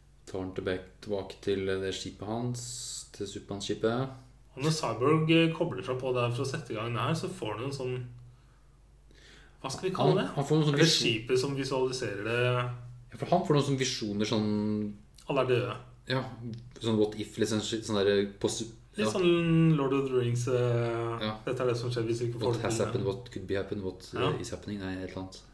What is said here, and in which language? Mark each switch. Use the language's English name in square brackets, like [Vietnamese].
[Norwegian] Tar han tilbake til det skipet hans, til Superman skipet. Og når Cyborg kobler seg på der for å sette i gang det her, så får du en sånn... Hva skal vi kalle han, det? Han er det skipet som visualiserer det? Ja, for han får noen sånne visjoner sånn... Alle er døde. Ja, sånn what if, liksom, sånn der... Post, ja. Litt sånn Lord of the Rings, ja. Dette er det som skjer hvis vi ikke får det. [English] What has happened, what could be happened, what is happening, [Norwegian] nei, et eller annet.